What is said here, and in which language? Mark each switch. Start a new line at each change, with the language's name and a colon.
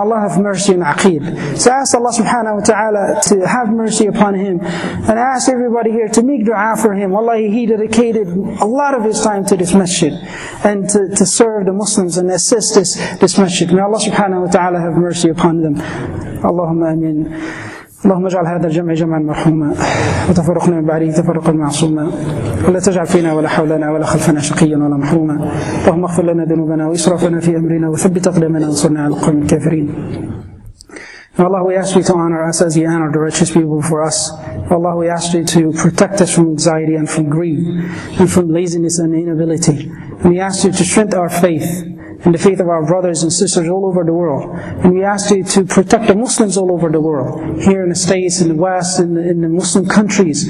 English: And Allah have mercy on Aqil. So I ask Allah subhanahu wa ta'ala to have mercy upon him. And I ask everybody here to make dua for him. Wallahi, he dedicated a lot of his time to this masjid and to serve the Muslims and assist this masjid. May Allah subhanahu wa ta'ala have mercy upon them. Allahumma ameen.
Arabic: اللهم اجعل هذا الجمع جمعا مرحوما وتفرقنا من بعده تفرقا معصوما ولا تجعل فينا ولا حولنا ولا خلفنا شقيا ولا محروما اللهم اغفر لنا ذنوبنا واسرافنا في امرنا وثبت اقدامنا وانصرنا على القوم الكافرين.
English: Allah, we ask you to honor us as you honor the righteous people before us. Allah, we ask you to protect us from anxiety and from greed and from laziness and inability. And we ask you to strengthen our faith and the faith of our brothers and sisters all over the world. And we ask you to protect the Muslims all over the world, here in the States, in the West, in the Muslim countries.